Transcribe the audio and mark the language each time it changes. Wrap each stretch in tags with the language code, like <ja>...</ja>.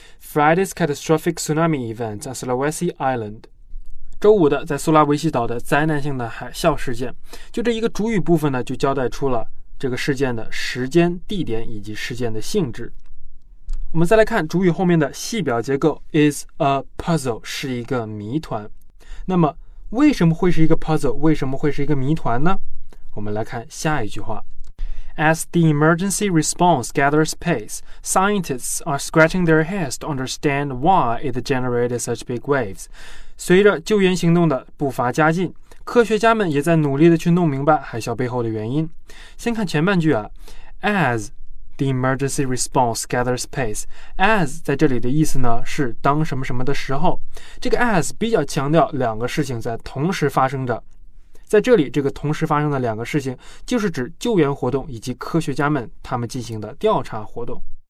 <en>Friday's catastrophic tsunami event on Sulawesi Island，</en> <zh>周五的在苏拉维西岛的灾难性的海啸事件，就这一个主语部分呢，就交代出了这个事件的时间、地点以及事件的性质。我们再来看主语后面的细表结构 ，</zh> <en>is a puzzle</en> <zh>是一个谜团。那么为什么会是一个 puzzle？为什么会是一个谜团呢？我们来看下一句话。</zh> <en>As the emergency response gathers pace, scientists are scratching their heads to understand why it generated such big waves.</en> <zh>随着救援行动的步伐加进，科学家们也在努力的去弄明白海啸背后的原因。先看前半句啊。</zh> <en>As the emergency response gathers pace,</en> <zh>as 在这里的意思呢是当什么什么的时候，这个 as 比较强调两个事情在同时发生着，在这里这个同时发生的两个事情就是指救援活动以及科学家们他们进行的调查活动。</zh>